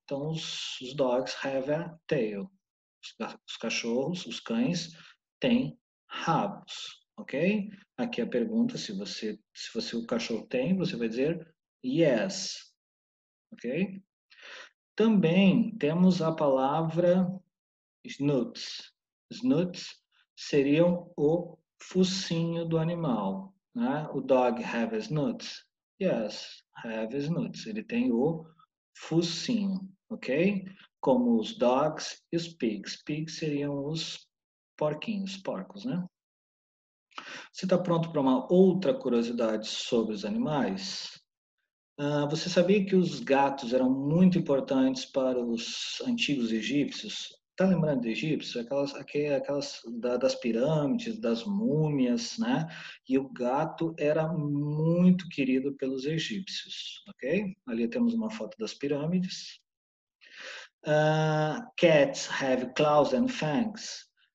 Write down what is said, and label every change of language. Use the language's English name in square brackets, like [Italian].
[Portuguese] Então, os [English] dogs have a tail. [Portuguese] Os cachorros, os cães, têm rabos. Ok? Aqui a pergunta: se você o cachorro tem, você vai dizer yes. Ok? Também temos a palavra snoots. Snoots seriam o focinho do animal, né? [English] O dog have a snoot? Yes, have a snoot. [Portuguese] Ele tem o focinho, ok? Como os dogs e os pigs. Pigs seriam os porquinhos, porcos, né? Você está pronto para uma outra curiosidade sobre os animais? Você sabia que os gatos eram muito importantes para os antigos egípcios? Tá lembrando do egípcio? Aquelas das pirâmides, das múmias, né? E o gato era muito querido pelos egípcios, ok? Ali temos uma foto das pirâmides. [English] Cats have claws and fangs.